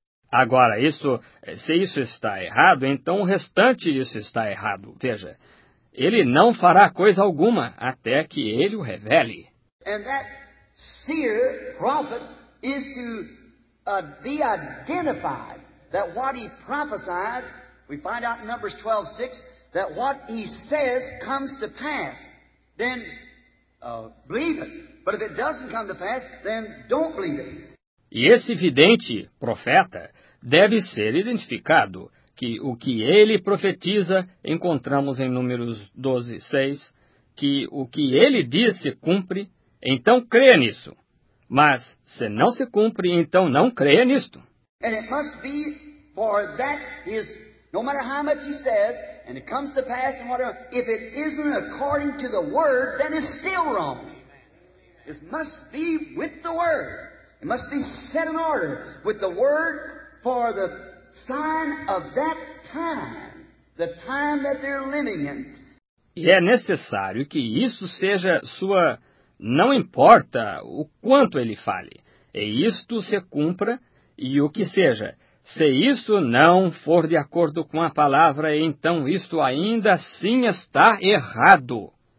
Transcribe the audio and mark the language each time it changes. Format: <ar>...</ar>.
<pt>Agora, se isso está errado, então o restante disso está errado. Veja. Ele não fará coisa alguma até que ele o revele.</pt> <en>And that seer, prophet, is to be identified that what he prophesies, we find out in Numbers 12:6, that what he says comes to pass. Then believe it. But if it doesn't come to pass, then don't believe it.</en> <pt>E esse vidente, profeta, deve ser identificado. Que o que ele profetiza, encontramos em Números 12, 6, que o que ele diz se cumpre, então creia nisso. Mas se não se cumpre, então não creia nisto.</pt> <en>And it must be for that is, no matter how much he says, and it comes to pass, and whatever, if it isn't according to the word, then it's still wrong. It must be with the word. It must be set in order with the word for the sign of that time, the time that they're living in.</en> <pt>E é necessário que isso seja sua, não importa o quanto ele fale, e isto se cumpra, e o que seja, se isso não for de acordo com a palavra, então isto ainda assim está errado.</pt>